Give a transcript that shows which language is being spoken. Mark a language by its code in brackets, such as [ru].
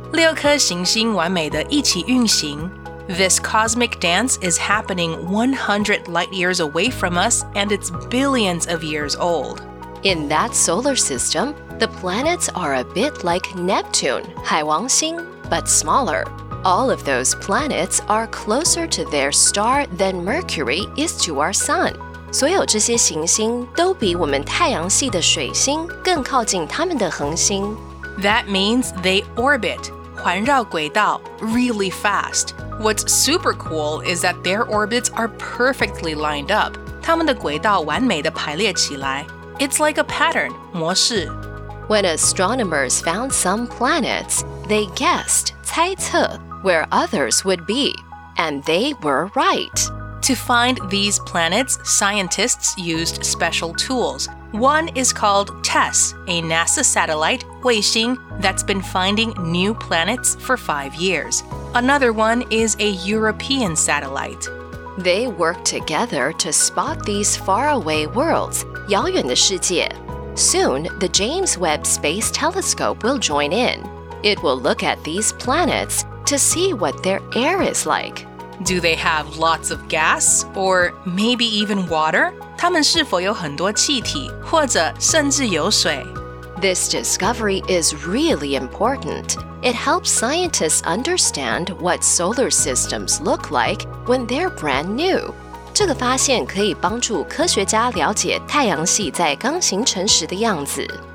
[zh] 六颗行星完美地一起运行. [en] This cosmic dance is happening 100 light years away from us and it's billions of years old. In that solar system, the planets are a bit like Neptune, [zh] 海王星, [en] but smaller. All of those planets are closer to their star than Mercury is to our sun. [zh] 所有这些行星都比我们太阳系的水星更靠近他们的恒星。 [en] That means they orbit, [zh] 环绕轨道, [en] really fast. What's super cool is that their orbits are perfectly lined up. [zh] 他们的轨道完美地排列起来。 [en] It's like a pattern, [zh] 模式。 [en] When astronomers found some planets, they guessed, [zh] 猜测, [en] where others would be. And they were right. To find these planets, scientists used special tools. One is called TESS, a NASA satellite, [zh] 卫星, [en] that's been finding new planets for 5 years. Another one is a European satellite. They work together to spot these faraway worlds, [zh] 遥远的世界. [en] Soon, the James Webb Space Telescope will join in. It will look at these planets to see what their air is like. Do they have lots of gas or maybe even water? [zh] 它们是否有很多气体或者甚至有水? [en] This discovery is really important. It helps scientists understand what solar systems look like when they're brand new. [zh] 这个发现可以帮助科学家了解太阳系在刚形成时的样子。